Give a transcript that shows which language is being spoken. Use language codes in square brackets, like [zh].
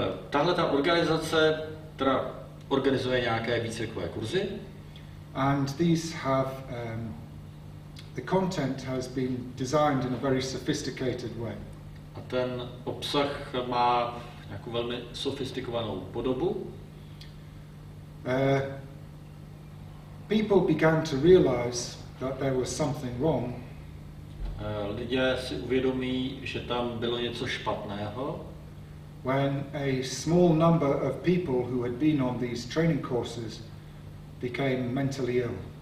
[cs] Tahle ta organizace teda organizuje nějaké výcvikové kurzy. [en] And these have the content has been designed in a very sophisticated way. [cs] A ten obsah má nějakou velmi sofistikovanou podobu. [en] People began to realize that there was something wrong. [cs] Lidé si uvědomí, že tam bylo něco špatného. [en] When a small number of people who had been on these training courses became mentally ill.